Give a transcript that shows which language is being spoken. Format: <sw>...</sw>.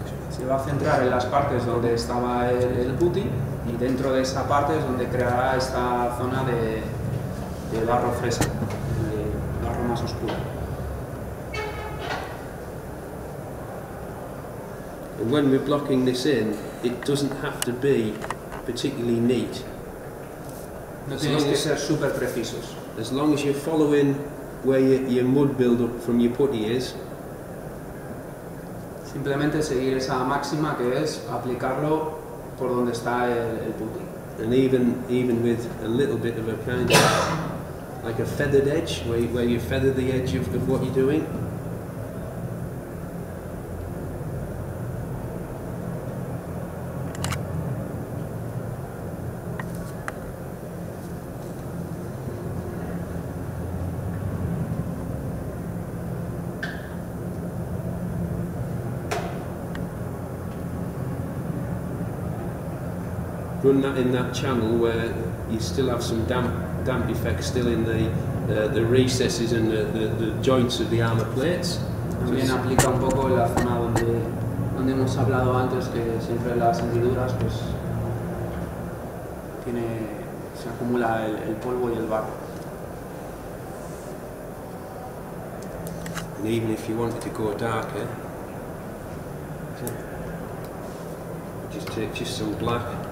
<es>Se va a centrar en las partes donde estaba el putty y dentro de esa parte es donde creará esta zona de barro fresco, de barro más oscuro.</es> <en>And when we're blocking this in, it doesn't have to be particularly neat.</en> <es>No tienes que ser super precisos.</es> <en>As long as you're following where your mud buildup from your putty is.</en> <es>Simplemente seguir esa máxima que es aplicarlo por donde está el putty.</es> <en>And even with a little bit of a kind of like a feathered edge, where you feather the edge of what you're doing. Run that in that channel where you still have some damp effect still in the recesses and the joints of the armor plates.</en> <es>También aplica un poco la zona donde hemos hablado antes que siempre las hendiduras pues tiene se acumula el polvo y el barro.</es> <en>And even if you wanted to go darker, just take just some black.</en>